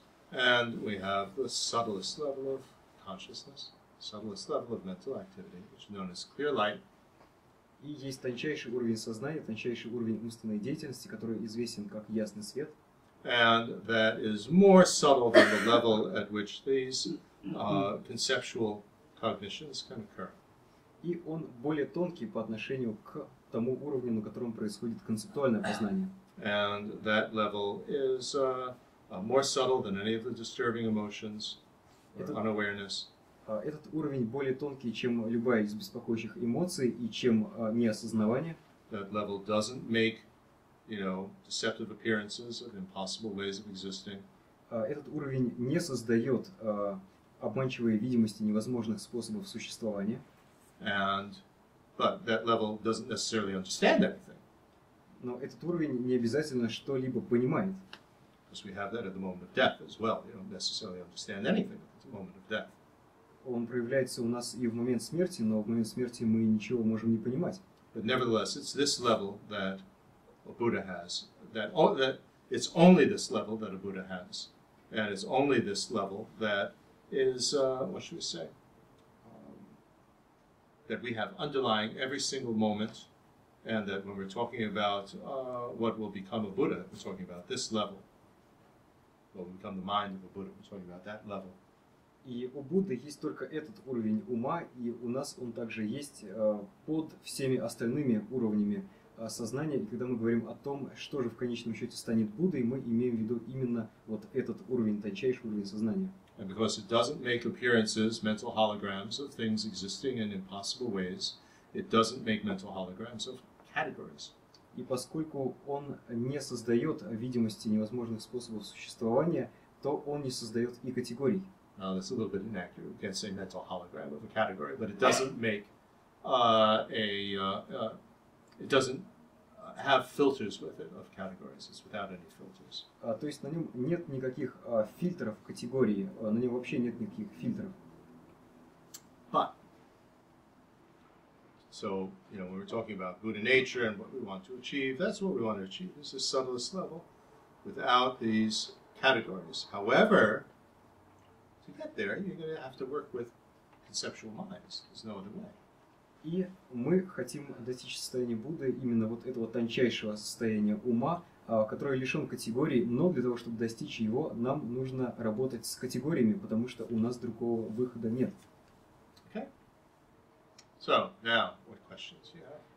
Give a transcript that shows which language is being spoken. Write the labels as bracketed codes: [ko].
[en] And we have the subtlest level of consciousness, subtlest level of mental activity, which is known as clear light. [ru] И есть тончайший уровень сознания, тончайший уровень умственной деятельности, который известен как ясный свет. [en] And that is more subtle than the level at which these conceptual cognitions can occur. [ru] И он более тонкий по отношению к тому уровню, на котором происходит концептуальное познание. [en] And that level is more subtle than any of the disturbing emotions or unawareness. [ru] Этот уровень более тонкий, чем любая из беспокоящих эмоций и чем неосознавание. [en] That level doesn't make, you know, deceptive appearances of impossible ways of existing. [ru] Этот уровень не создает обманчивой видимости невозможных способов существования. [en] And, but that level doesn't necessarily understand everything. [ru] Но этот уровень не обязательно что-либо понимает. [en] Because we have that at the moment of death as well. You don't necessarily understand anything at the moment of death. [ru] Он проявляется у нас и в момент смерти, но в момент смерти мы ничего можем не понимать. [en] But nevertheless, it's this level that a Buddha has. That it's only this level that a Buddha has. And it's only this level that is, what should we say? That we have underlying every single moment. And that when we're talking about what will become a Buddha, we're talking about this level. What will become the mind of a Buddha, we're talking about that level. [ru] И у Будды есть только этот уровень ума, и у нас он также есть под всеми остальными уровнями сознания. И когда мы говорим о том, что же в конечном счете станет Буддой, мы имеем в виду именно вот этот уровень, тончайший уровень сознания. [en] And because it doesn't make appearances, mental holograms of things existing in impossible ways, it doesn't make mental holograms of categories. [ru] И поскольку он не создает видимости невозможных способов существования, то он не создает и категорий. [en] Now that's a little bit inaccurate. We can't say mental hologram of a category, but it doesn't make it doesn't have filters with it of categories. It's without any filters. [ru] То есть на нем нет никаких фильтров категории. На нем вообще нет никаких фильтров. [en] But so you know, when we're talking about Buddha nature and what we want to achieve, that's what we want to achieve. It's the subtlest level, without these categories. However. Get there, you're going to have to work with conceptual minds. There's no other way. [ru] И мы хотим достичь состояния Будды, именно вот этого тончайшего состояния ума, который лишен категорий, но для того, чтобы достичь его, нам нужно работать с категориями, потому что у нас другого выхода нет. [en] Okay. So, now, what questions do you have?